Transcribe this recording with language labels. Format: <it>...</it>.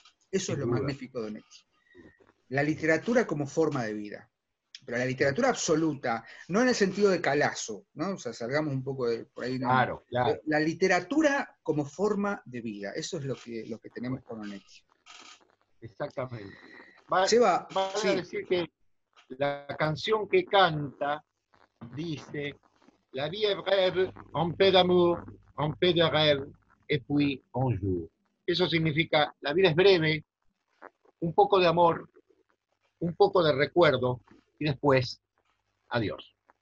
<es>Eso es lo magnífico de Onetti. La literatura como forma de vida. Pero la literatura absoluta, no en el sentido de Calazo, ¿no? O sea, salgamos un poco de por ahí. Claro, claro. La literatura como forma de vida. Eso es lo que tenemos con Onetti. Exactamente. Seba, a decir que la canción que canta dice:</es> <fr>La vie est brève, un peu d'amour, un peu de rêve, et puis un jour.</fr> <es>Eso significa: la vida es breve, un poco de amor, un poco de recuerdo, y después, adiós.</es>